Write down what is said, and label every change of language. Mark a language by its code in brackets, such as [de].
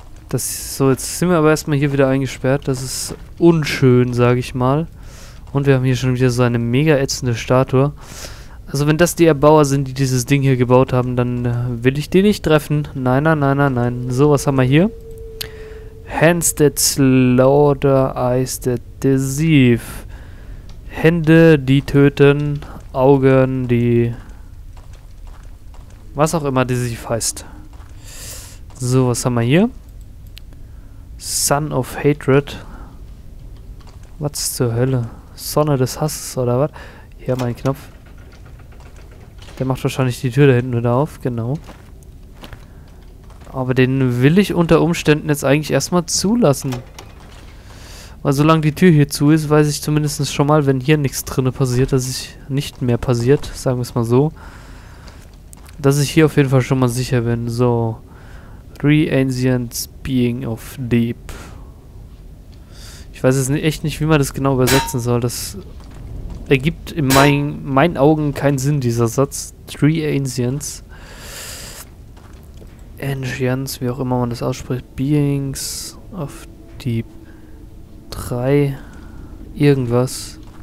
[de] Das so, jetzt sind wir aber erstmal hier wieder eingesperrt. Das ist unschön, sage ich mal. Und wir haben hier schon wieder so eine mega ätzende Statue. Also wenn das die Erbauer sind, die dieses Ding hier gebaut haben, dann will ich die nicht treffen. Nein, nein, nein, nein, nein. So, was haben wir hier? [en] Hands that slaughter, eyes that deceive. [de] Hände, die töten. Augen, die... Was auch immer deceive heißt. So, was haben wir hier? [en] Son of Hatred. [de] Was zur Hölle? Sonne des Hasses oder was? Hier haben wir einen Knopf. Der macht wahrscheinlich die Tür da hinten wieder auf, genau. Aber den will ich unter Umständen jetzt eigentlich erstmal zulassen. Weil solange die Tür hier zu ist, weiß ich zumindest schon mal, wenn hier nichts drinne passiert, dass ich nicht mehr passiert, sagen wir es mal so. Dass ich hier auf jeden Fall schon mal sicher bin. So. [en] Three ancient being of deep. [de] Ich weiß jetzt echt nicht, wie man das genau übersetzen soll. Das ergibt in meinen Augen keinen Sinn, dieser Satz. [en] Three ancients. [de] Ancients, wie auch immer man das ausspricht. [en] Beings of deep. Drei irgendwas.